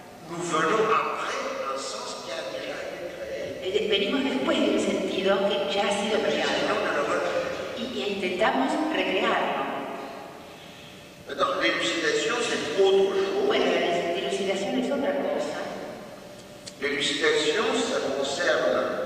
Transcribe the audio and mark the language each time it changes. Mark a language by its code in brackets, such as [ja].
[fr] Nous venons après un sens qui a déjà été créé. [es] Venimos después de un sentido que ya ha sido creado. Y intentamos recrearlo. [fr] Non, l'élucidation, c'est autre chose. [es] Bueno, l'élucidation es otra cosa. [fr] L'élucidation, ça concerne.